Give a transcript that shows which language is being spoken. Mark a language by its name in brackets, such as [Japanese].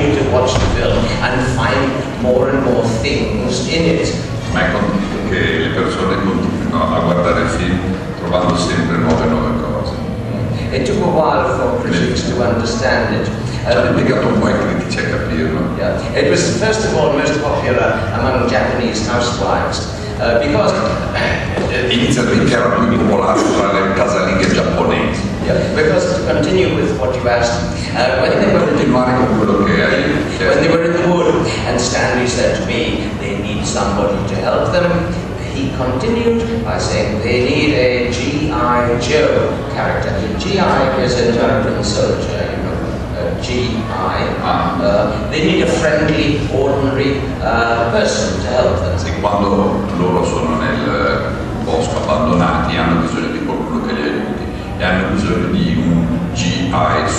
[English] Watch the film and find more and more things in it. [Italian] Ma è convinto che le persone continuino a guardare il film trovando sempre nuove e nuove cose. [English] It took a while for critics to understand it. [Italian] Ci ha impiegato un po' i critici a capirlo. [English] It was first of all most popular among Japanese housewives. Because [Italian] inizialmente era più popolare tra le casalinghe giapponesi. [English] Because to continue with what you asked, when they were [Italian] continuare con quello che hai chiesto. [English] When they were in the wood and Stanley said to me they need somebody to help them, he continued by saying they need a G.I. Joe character. G.I. is an American soldier, you know. G.I. They need a friendly, ordinary person to help them. [Italian] E quando loro sono nel bosco abbandonati hanno bisogno di qualcuno che li aiuti e hanno bisogno di un G.I.